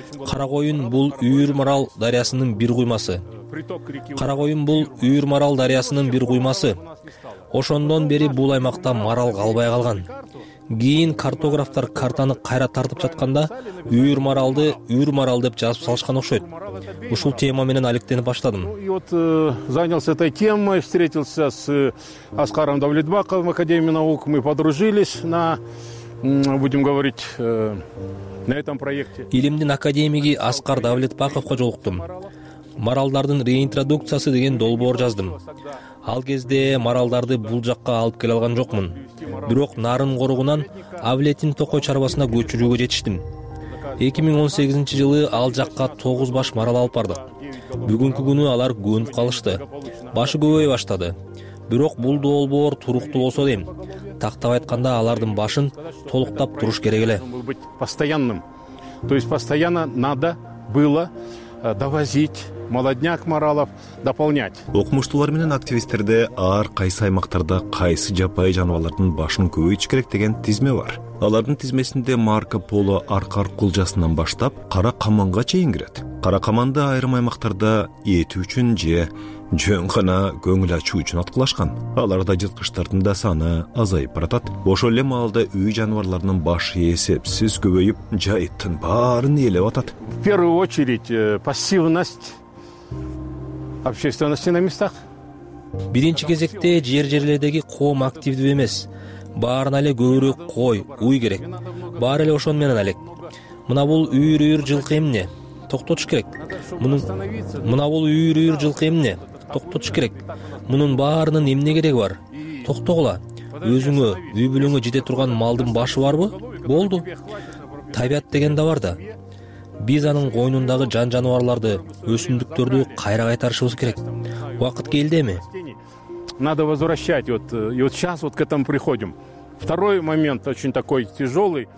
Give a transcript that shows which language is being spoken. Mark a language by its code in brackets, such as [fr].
[ky] Кара коюн бул үйүр марал дарыясынын бир куймасы. Кара коюн бул үйүр марал дарыясынын бир куймасы. Ошондон бери бул аймакта марал калбай калган. Кийин картографтар картаны кайра тартып жатканда үйүр маралды үйүр марал деп жазып салышкан окшойт. Ушул тема менен алектенип баштадым. [ru] Занялся этой темой, встретился с Аскаром Давлетбаковым, Академией наук, мы подружились на будем говорить на этом проекте. [ky] Илимдин академиги Аскар Давлетбаковго жолуктум. Маралдардын реинтродукциясы деген долбоор жаздым. Ал кезде маралдарды бул жакка алып келе алган жокмун. Бирок нарын коругунан Авлетин токой чарбасына көчүрүүгө жетиштим. 2018 жылы ал жакка 9 баш марал алып бардык. Бүгүнкү күнү алар көнүп калышты. Башы көбөй баштады. Бирок бул долбоор туруктуу болсо дейм. Тактап айтканда алардын башын толуктап туруш керек эле. [ru] Постоянным. То есть постоянно надо было довозить молодняк маралов, дополнять. [ky] Окумуштуулар менен активисттер де ар кайсы аймактарда кайсы жапайы жаныбарлардын башын көбөйтүш керек деген тизме бар. Алардын тизмесинде Марко Поло аркар кулжасынан баштап кара каманга чейин кирет. Кара каманды айрым аймактарда эти үчүн же жөн гана көңүл ачуу үчүн аткылашкан. Аларда жырткычтардын да саны азайып баратат. Ошол эле маалда үй жаныбарларынын башы эсепсиз көбөйүп, жайыттын баарын ээлеп атат. [ru] В первую очередь пассивность общественности на местах. [ky] Биринчи кезекте жер жерлердеги коом активдүү эмес. Баарына эле көбүрөөк кой, уй керек. Баары эле ошону менен алек. Мына бул үйүр-үйүр жылкы эмне? Токтотуш керек. Мына бул үйүр-үйүр жылкы эмне? Токтотуш керек. Мунун баарынын эмне кереги бар? Токтогула. Өзүңө, үй бүлөңө жете турган малдын башы барбы? Болду. Табият деген да бар да. Биз анын койнундагы жан жаныбарларды, өсүмдүктөрдү кайра кайтарышыбыз керек. Убакыт келди эми. [ru] Надо возвращать вот сейчас вот к этому приходим. Второй момент очень такой тяжёлый.